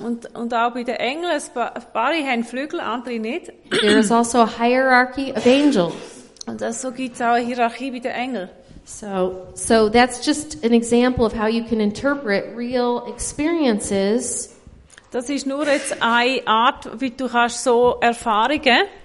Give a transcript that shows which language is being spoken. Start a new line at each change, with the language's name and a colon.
German: Und auch bei den Engeln, ein paar haben Flügel, andere nicht.
English: There is also a hierarchy of angels.
German: Und so gibt's auch eine Hierarchie bei den Engeln.
English: So that's just an example of how you can interpret real experiences.
German: Das ist nur jetzt eine Art, wie du kannst so Erfahrungen